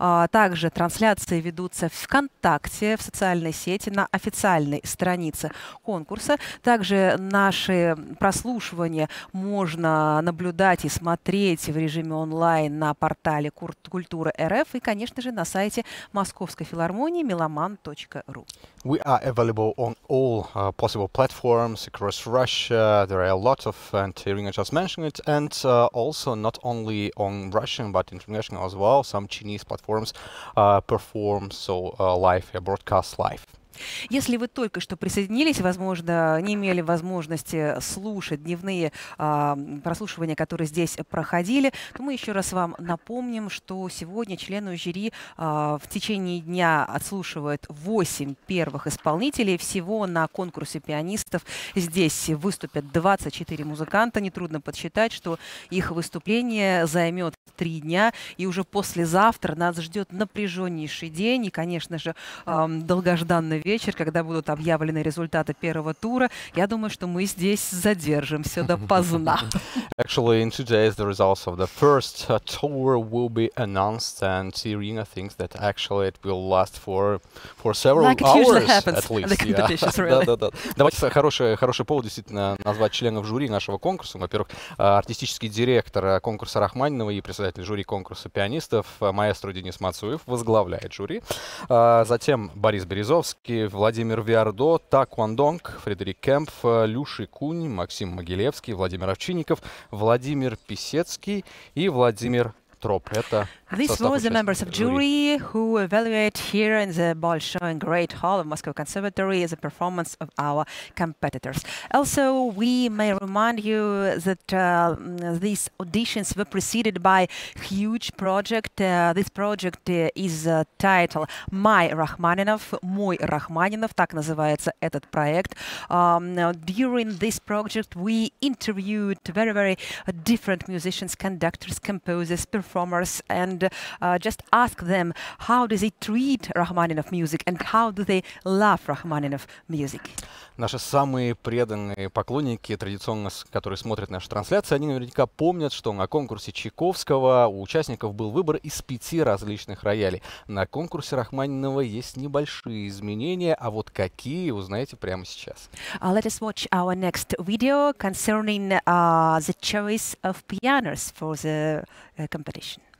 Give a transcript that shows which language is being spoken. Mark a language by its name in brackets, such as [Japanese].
[Russian] Также трансляции ведутся в ВКонтакте, в социальной сети, на официальной странице конкурса. Также наши прослушивания можно наблюдать и смотреть в режиме онлайн на портале Культура РФ и, конечно же, на сайте Московской филармонии meloman.ru. [English] We are available on all possible platforms across Russia. There are a lot of, and Irina just mentioned it, and also not only on Russian, but international as well. Some Chinese platforms perform so live, broadcast live. [Russian] Если вы только что присоединились, возможно, не имели возможности слушать дневные прослушивания, которые здесь проходили, то мы еще раз вам напомним, что сегодня члены жюри в течение дня отслушивают 8 первых исполнителей. Всего на конкурсе пианистов здесь выступят 24 музыканта. Нетрудно подсчитать, что их выступление займет 3 дня. И уже послезавтра нас ждет напряженнейший день и, конечно же, долгожданный вечер. Вечер, когда будут объявлены результаты первого тура, я думаю, что мы здесь задержимся допоздна. [English] Actually, in 2 days the results of the first tour will be announced, and Irina thinks that actually it will last for several like hours it usually happens at least. In the competitions, really. [Russian] Да. Давайте хороший повод действительно назвать членов жюри нашего конкурса. Во-первых, артистический директор конкурса Рахманинова и председатель жюри конкурса пианистов маэстро Денис Мацуев возглавляет жюри. Затем Борис Березовский, Владимир Виардо, Та Куан Донг, Фредерик Кемпф, Люши Кунь, Максим Могилевский, Владимир Овчинников, Владимир Писецкий и Владимир Троп. Это... [English] These were the members of jury who evaluate here in the Bolshoi Great Hall of Moscow Conservatory the performance of our competitors. Also, we may remind you that these auditions were preceded by huge project. This project is titled My Rachmaninov. [Russian] Мой Рахманинов, так называется этот проект. [English] During this project, we interviewed very, very different musicians, conductors, composers, performers, and just ask them how do they treat Rachmaninoff music and how do they love Rachmaninoff music. [Russian] Наши самые преданные поклонники, традиционно, которые смотрят наши трансляции, они наверняка помнят, что на конкурсе Чайковского у участников был выбор из 5 различных роялей. На конкурсе Рахманинова есть небольшие изменения, а вот какие, узнаете прямо сейчас. [English] Let us watch our next video concerning the choice of pianos for the competition.